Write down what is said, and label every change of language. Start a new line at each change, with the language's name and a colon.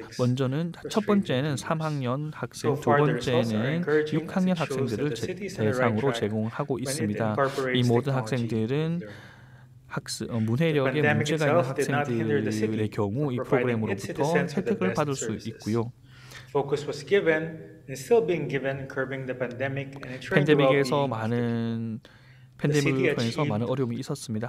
Korean: 먼저는 첫 번째는 3학년 학생, 두 번째는 6학년 학생들을 대상으로 제공하고 있습니다. 이 모든 학생들은 문해력에 문제가 있는 학생들의 경우 이 프로그램으로부터 혜택을 받을 수 있고요.
English: Focus was given and still being given curbing the pandemic and ensuring
Korean: 팬데믹에서 많은 팬데믹을 통해서 많은 어려움이 있었습니다.